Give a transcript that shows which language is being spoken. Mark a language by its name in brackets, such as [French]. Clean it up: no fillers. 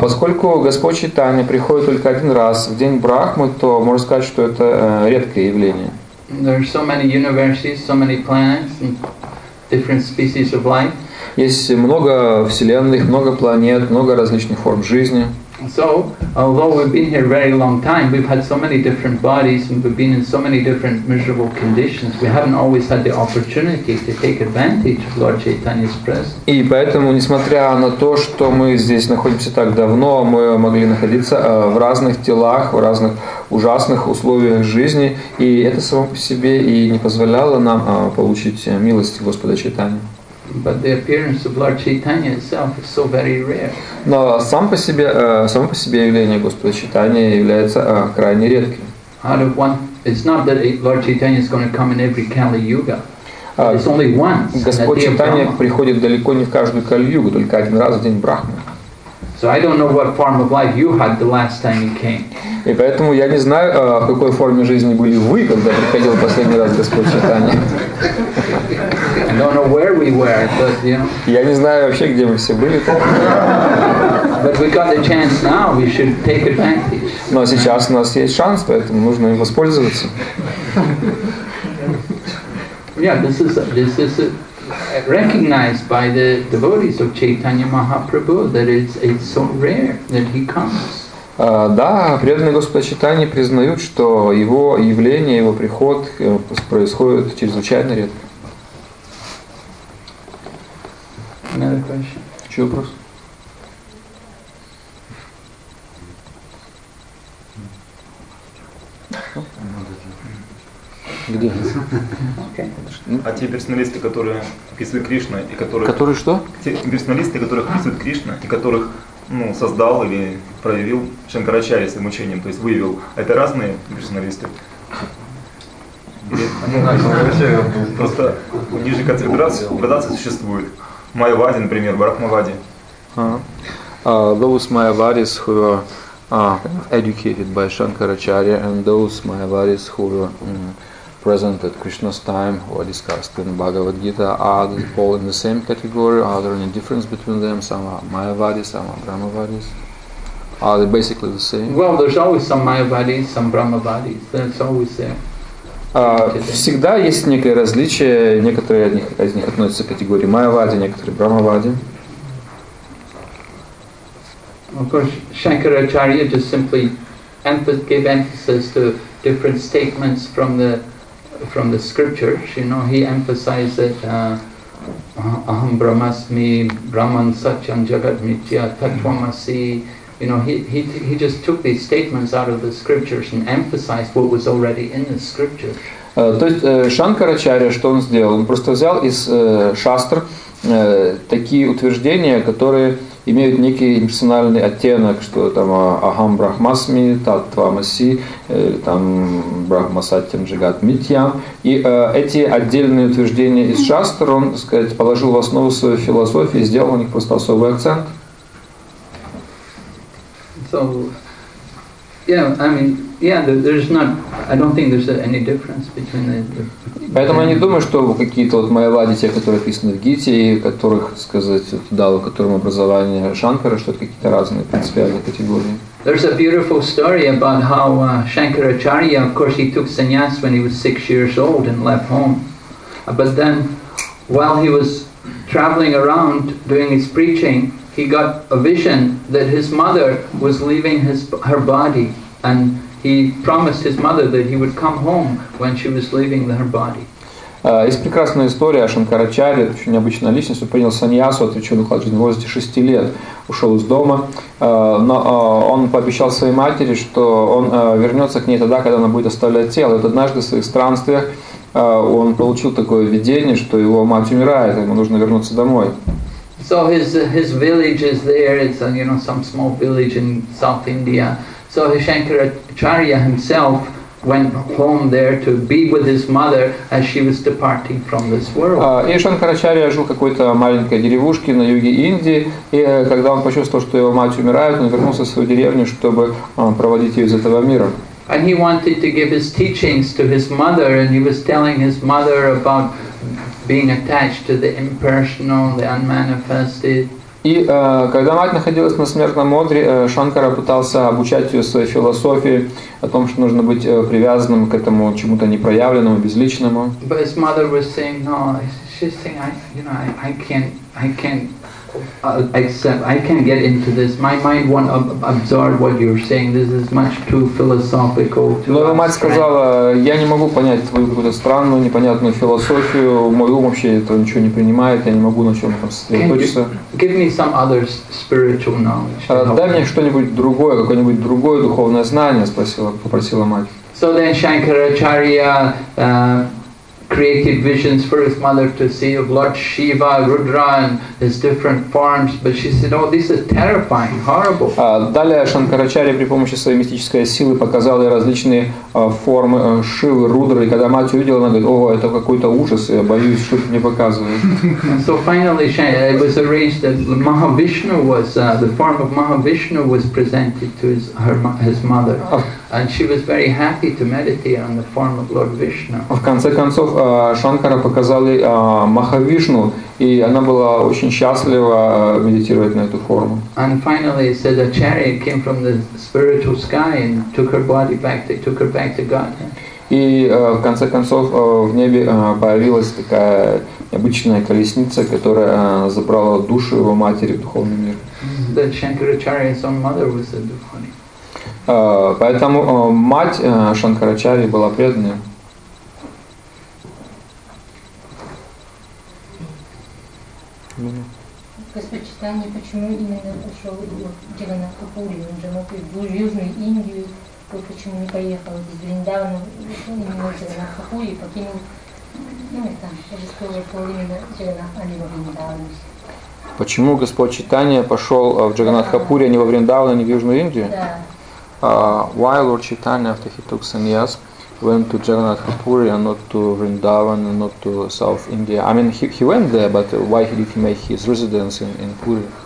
[Russian] Поскольку Господь Чайтанья приходит только один раз в день Брахмы, то можно сказать, что это редкое явление. [English] There are so many universes, so many planets, and different species of life. [Russian] Есть много вселенных, много планет, много различных форм жизни. [English] So, although we've been here very long time, we've had so many different bodies, and we've been in so many different miserable conditions, we haven't always had the opportunity to take advantage of Lord Chaitanya's presence. [Russian] И поэтому, несмотря на то, что мы здесь находимся так давно, мы могли находиться в разных телах, в разных ужасных условиях жизни, и это само по себе и не позволяло нам получить милость Господа Чайтаньи. [English] But the appearance of Lord Chaitanya itself is so very rare. [Russian] Но само по себе явление Господа Чайтаньи является крайне редким. [English] Out of one, it's not that Lord Chaitanya is going to come in every Kali Yuga. It's only once. [Russian] Господь Чайтанья приходит далеко не в каждую Кали Югу, только один раз в день Брахмы. [English] So I don't know what form of life you had the last time you came. [Russian] И поэтому я не знаю, в какой форме жизни были вы, когда приходил последний раз Господь Чайтанья. [English] I don't know where we were, but [Russian] Я не знаю вообще, где мы все были. [English] But we got the chance now. We should take advantage. [Russian] Но сейчас у нас есть шанс, поэтому нужно им воспользоваться. [English] Yeah, this is recognized by the devotees of Chaitanya Mahaprabhu that it's so rare that he comes. [Russian] Да, преданные Господа Чайтанья признают, что его явление, его приход происходит чрезвычайно редко. Еще вопрос? Где? А те персоналисты, которые описывают Кришна и которые... Которые что? Те персоналисты, которых описывают Кришна и которых создал или проявил Шанкарачарья своим учением, то есть выявил, это разные персоналисты? Просто у них же градация существует. Майявади, например, Брахмавади. [English] Those Mayavadis who were educated by Shankaracharya and those Mayavadis who were present at Krishna's time or discussed in Bhagavad Gita, are they all in the same category? Are there any difference between them? Some are Mayavadis, some are Brahmavadis. Are they basically the same? Well, there's always some Mayavadis, some Brahmavadis. That's always there. [Russian] Всегда есть некое различие. Некоторые из них относятся к категории Майявади, некоторые Брахмавади. [English] Of course, Shankaracharya just simply gave emphasis to different statements from the scriptures. You know, he emphasized that Aham Brahmasmi, Brahman Satyam Jagat Mithya, Tatvamasi. You know, he just took these statements out of the scriptures and emphasized what was already in the scriptures. [Russian] То есть Шанкарачарья, что он сделал? Он просто взял из шастр такие утверждения, которые имеют некий имперсональный оттенок, что там Ахам Брахмасми, Таттвамаси, там Брахмасатьям Джигат Митьям. И эти отдельные утверждения из шастр он, так сказать, положил в основу своей философии, сделал на них просто особый акцент. [English] So, yeah, I mean, yeah, there's not, I don't think there's any difference between the... [Russian] Поэтому я не думаю, что какие-то вот майявади, те, которые описаны в Гите, и которых, сказать, вот, дал, которым образование Шанкара, что это какие-то разные принципиальные категории. [English] There's a beautiful story about how Shankaracharya, of course, he took sannyas when he was 6 years old and left home. But then, while he was traveling around doing his preaching, he got a vision that his mother was leaving her body, and he promised his mother that he would come home when she was leaving her body. [Russian] Есть прекрасная история о Шанкарачарье, очень необычная личность. Он принял саньясу, отречённый уклад жизни в возрасте 6 лет, ушел из дома. Но он пообещал своей матери, что он вернется к ней тогда, когда она будет оставлять тело. И вот однажды в своих странствиях он получил такое видение, что его мать умирает, ему нужно вернуться домой. [English] So his village is there. It's you know, some small village in South India. So Shankaracharya himself went home there to be with his mother as she was departing from this world. [Russian] И Шанкарачарья жил в какой-то маленькой деревушке на юге Индии. И когда он почувствовал, что его мать умирает, он вернулся в свою деревню, чтобы проводить ее из этого мира. [English] And he wanted to give his teachings to his mother, and he was telling his mother about being attached to the impersonal, the unmanifested. [Russian] И когда мать находилась на смертном одре, Шанкара пытался обучать ее своей философии о том, что нужно быть привязанным к этому чему-то непроявленному, безличному. [English] But his mother was saying, no, she's saying, I can't get into this. My mind won't absorb what you're saying. This is much too philosophical. [Russian] Но его мать сказала, я не могу понять твою какую-то странную, непонятную философию. Мой ум вообще этого ничего не принимает. Я не могу на чем-то сосредоточиться. [English] Give me some other spiritual knowledge. [Russian] Дай мне что-нибудь другое, какое-нибудь другое духовное знание, попросила мать. [English] So then Shankaracharya created visions for his mother to see of Lord Shiva, Rudra, and his different forms, but she said, "Oh, this is terrifying, horrible." [Russian] Далее Шанкарачарья при помощи своей мистической силы показал ей различные формы Шивы, Рудры, и когда мать увидела, она говорит, "О, это какой-то ужас, я боюсь, что ты мне показываешь." [English] So finally, it was arranged that Mahavishnu was the form of Mahavishnu was presented to his mother. And she was very happy to meditate on the form of Lord Vishnu. [Russian] В конце концов, Шанкара показали Махавишну, и она была очень счастлива медитировать на эту форму. [English] And finally, it said a chariot came from the spiritual sky and took her body back. They took her back to Godhead. [Russian] И в конце концов в небе появилась такая необычная колесница, которая забрала душу его матери в духовный мир. [English] The Shankaracharya's own mother was a devotee. [Russian] Поэтому мать Шанкарачарьи была преданная. Господь Читание, почему именно пошел в Тиранакапури? Он же мог в Южную Индию, то почему не поехал из Вриндавана, ушел именно в Тиранакапури, покинул, ну и там, я же сказала, что именно в Тиранакапури, а не в Вриндавану. Почему Господь Читание пошел в Джаганатхапури, а не во Вриндавана, а не в Южную Индию? Да. [English] Why Lord Chaitanya, after he took sannyas, went to Jagannathapuri and not to Vrindavan and not to South India? I mean, he went there, but why did he make his residence in Puri?